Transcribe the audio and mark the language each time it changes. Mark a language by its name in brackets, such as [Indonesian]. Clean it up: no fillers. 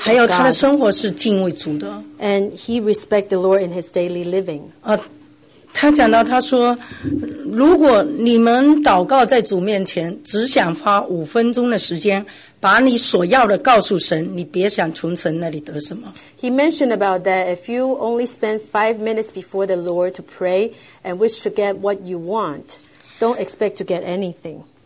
[Chinese] 还有他的生活是敬畏主的 [English] And he respect the Lord in his daily living [Chinese] 他讲到他说如果你们祷告在主面前只想花五分钟的时间把你所要的告诉神你别想从神那里得什么 [English] He mentioned about that if you only spend 5 minutes before the Lord to pray and wish to get what you want Don't expect to get anything.